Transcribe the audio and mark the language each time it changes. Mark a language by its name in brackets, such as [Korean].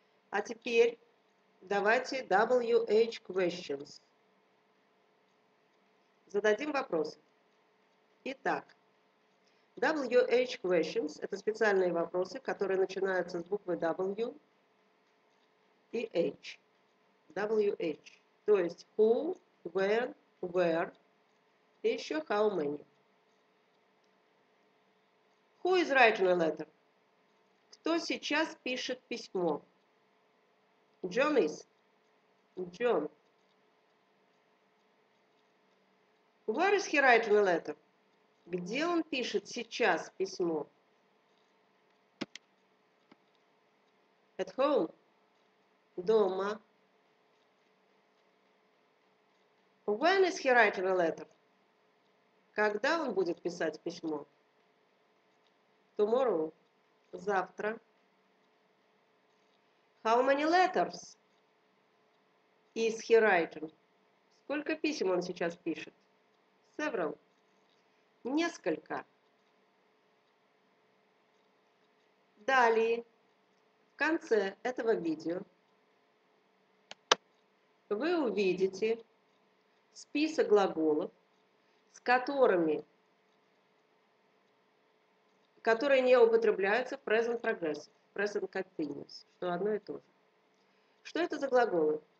[Russian] А теперь давайте WH questions. Зададим вопросы. Итак. WH questions – это специальные вопросы, которые начинаются с буквы W и H. [English] WH. [Russian] То есть who, when, where и еще how many. [English] Who is writing a letter? [Russian] Кто сейчас пишет письмо? [English] John is. John. Where is he writing a letter? [Russian] Где он пишет сейчас письмо? [English] At home. [Russian] Дома. [English] When is he writing a letter? [Russian] Когда он будет писать письмо? [English] Tomorrow. [Russian] Завтра. [English] How many letters is he writing? [Russian] Сколько писем он сейчас пишет? [English] Several. [Russian] Несколько. Далее, в конце этого видео, вы увидите список глаголов, с которыми, которые не употребляются в present progressive, present continuous, что одно и то же. Что это за глаголы?